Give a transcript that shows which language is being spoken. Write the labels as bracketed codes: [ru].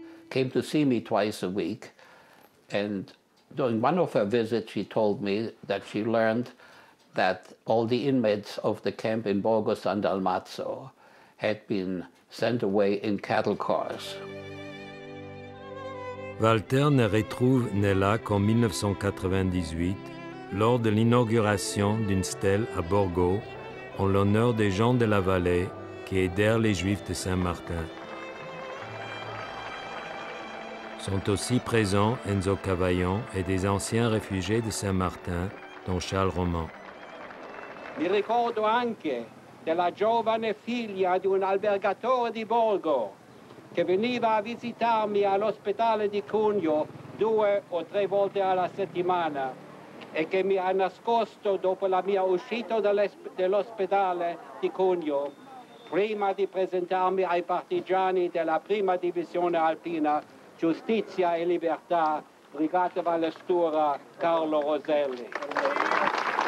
[en] Came to see me twice a week and during one of her visits, she told me that she learned that all the inmates of the camp in Borgo San Dalmazzo had been sent away in cattle cars. [fr] Walter ne retrouve Nella qu'en 1998, lors de l'inauguration d'une stèle à Borgo, en l'honneur des gens de la vallée qui aidèrent les Juifs de Saint-Martin. Sont aussi présents Enzo Cavaillon et des anciens réfugiés de Saint-Martin, dont Charles Roman. [it] Mi ricordo anche della giovane figlia di un albergatore di Borgo che veniva a visitarmi all'ospedale di Cugno due o tre volte alla settimana. e che mi ha nascosto dopo la mia uscita dell'ospedale di Cuneo, prima di presentarmi ai partigiani della prima divisione alpina, Giustizia e Libertà, Brigata Valestura, Carlo Roselli.